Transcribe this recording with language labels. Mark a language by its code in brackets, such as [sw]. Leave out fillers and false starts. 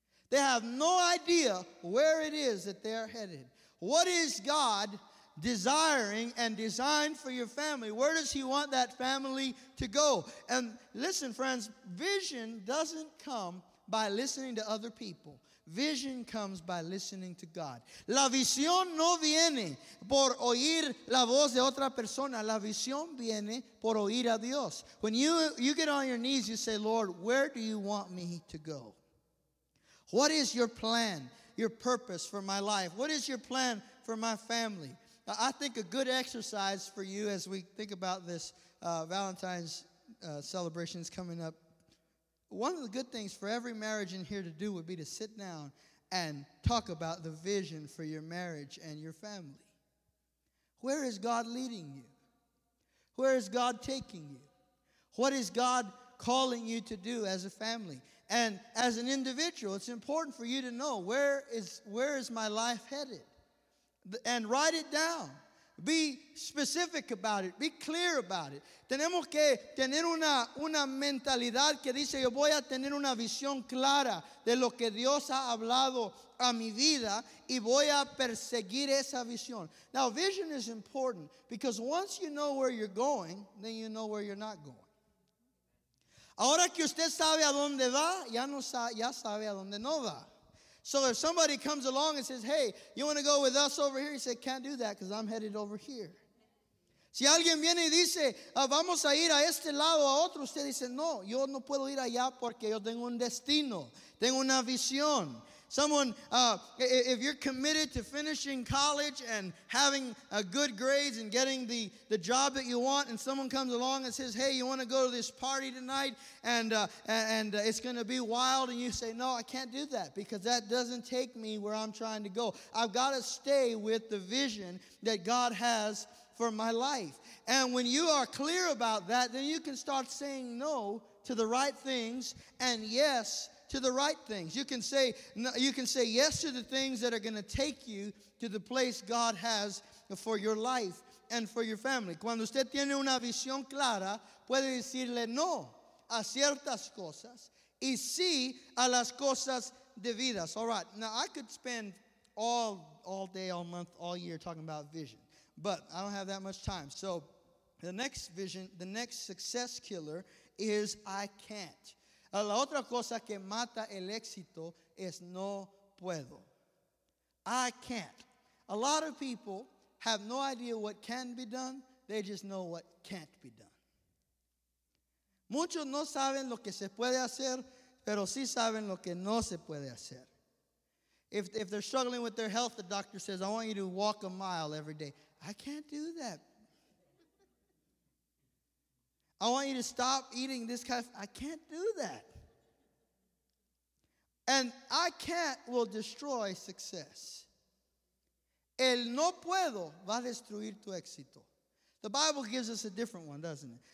[en] They have no idea where it is that they are headed. What is God desiring and designed for your family? Where does he want that family to go? And listen, friends, vision doesn't come by listening to other people. Vision comes by listening to God. La visión no viene por oír la voz de otra persona. La visión viene por oír a Dios. When you get on your knees, you say, Lord, where do you want me to go? What is your plan, your purpose for my life? What is your plan for my family? I think a good exercise for you as we think about this Valentine's celebration is coming up. One of the good things for every marriage in here to do would be to sit down and talk about the vision for your marriage and your family. Where is God leading you? Where is God taking you? What is God calling you to do as a family? And as an individual, it's important for you to know, where is my life headed? And write it down. Be specific about it. Be clear about it. [es] Tenemos que tener una mentalidad que dice, yo voy a tener una visión clara de lo que Dios ha hablado a mi vida y voy a perseguir esa visión. [en] Now, vision is important because once you know where you're going, then you know where you're not going. [es] Ahora que usted sabe a dónde va, ya sabe a dónde no va. [en] So if somebody comes along and says, hey, you want to go with us over here? He said, can't do that because I'm headed over here. [es] Si alguien viene y dice, vamos a ir a este lado o a otro, usted dice, no, yo no puedo ir allá porque yo tengo un destino, tengo una visión. [en] Someone, if you're committed to finishing college and having a good grades and getting the job that you want, and someone comes along and says, hey, you want to go to this party tonight, and it's going to be wild, and you say, no, I can't do that because that doesn't take me where I'm trying to go. I've got to stay with the vision that God has for my life. And when you are clear about that, then you can start saying no to the right things and yes to the right things. You can say yes to the things that are going to take you to the place God has for your life and for your family. [es] Cuando usted tiene una visión clara, puede decirle no a ciertas cosas y sí a las cosas debidas. [en] All right. Now, I could spend all day, all month, all year talking about vision, but I don't have that much time. So the next vision, the next success killer is I can't. [es] La otra cosa que mata el éxito es no puedo. [en] I can't. A lot of people have no idea what can be done. They just know what can't be done. [es] Muchos no saben lo que se puede hacer, pero sí saben lo que no se puede hacer. [en] If they're struggling with their health, the doctor says, I want you to walk a mile every day. I can't do that. I want you to stop eating this kind of food. I can't do that. And I can't will destroy success. [es] El no puedo va a destruir tu éxito. [en] The Bible gives us a different one, doesn't it?